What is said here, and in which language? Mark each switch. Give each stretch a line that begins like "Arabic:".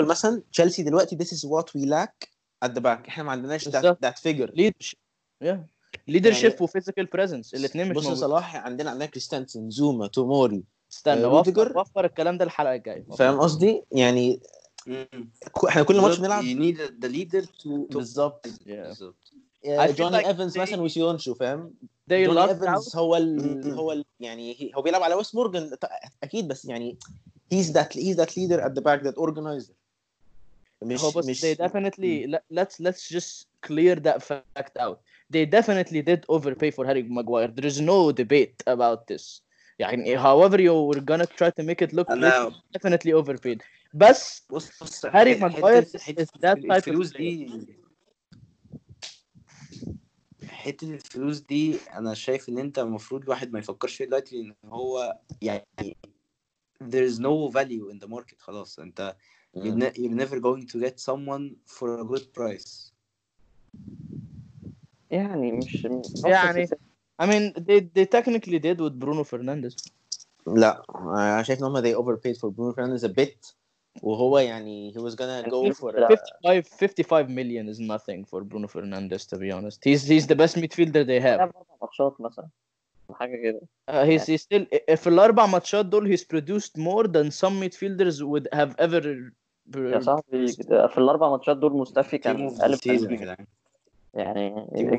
Arabic: مثلا تشيلسي دلوقتي
English: this is what we lack at the back.
Arabic: احنا ما عندناش
English: that figure
Arabic: leadership يعني, و
English: physical presence
Arabic: الاثنين مش موجودين. بص صلاح عندنا كريستنسن, زوما, توموري. استنى وفر الكلام ده الحلقه الجايه. فاهم قصدي؟ يعني احنا كل ماتش بنلعب
English: you need the leader to
Arabic: بالظبط. بالظبط جون ايفنز مثلا وشيونشو. فاهم جون ايفنز هو يعني هو بيلعب على ويس مورجان اكيد, بس يعني
English: he's that leader at the back, that organizer.
Arabic: مش
English: they definitely let's just clear that fact out. They definitely did overpay for Harry Maguire. There is no debate about this.
Arabic: يعني
English: however you were gonna try to make it look, definitely overpaid. بس Harry Maguire is that type
Arabic: الفلوس
English: of
Arabic: دي. حتة الفلوس دي أنا شايف إن أنت المفروض الواحد ما يفكرش فيها دلوقتي, لأن هو يعني
English: there is no value in the market.
Arabic: خلاص أنت
English: you're never going to get someone for a good price.
Arabic: يعني مش يعني
English: I mean they technically did with Bruno Fernandes.
Arabic: لا انا شايف ان هم
English: they overpaid for Bruno Fernandes a bit,
Arabic: وهو يعني
English: he was gonna go for 55 million is nothing for Bruno Fernandes, to be honest. He's the best midfielder they have.
Arabic: ماتشات مثلا حاجه كده.
English: He's still
Arabic: في الاربع ماتشات دول
English: he's produced more than some midfielders would have ever.
Arabic: يا صاحبي في الاربع ماتشات دول مستفي كان 1000 يعني